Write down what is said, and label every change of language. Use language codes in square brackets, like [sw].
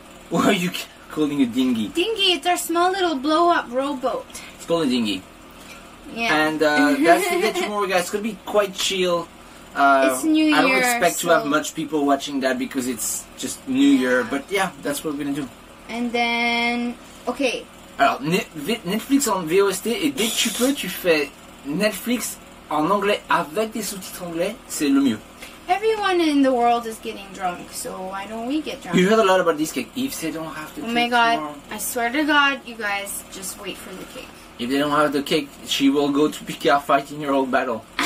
[en] What are you calling a dinghy? Dinghy, it's our small little blow-up rowboat. It's called a dinghy. Yeah. And that's the day tomorrow, guys. It's going to be quite chill. It's New Year. I don't expect so to have much people watching that because it's just New Year. But yeah, that's what we're going to do. And then, okay. [fr] Alors, Netflix en VOST, et dès que tu fais Netflix en anglais avec des sous-titres anglais, c'est le mieux. [en] Everyone in the world is getting drunk, so why don't we get drunk? You heard a lot about this cake. If they don't have the cake. Oh my god, tomorrow, I swear to god, you guys, just wait for the cake. If they don't have the cake, she will go to Picard fighting your old battle.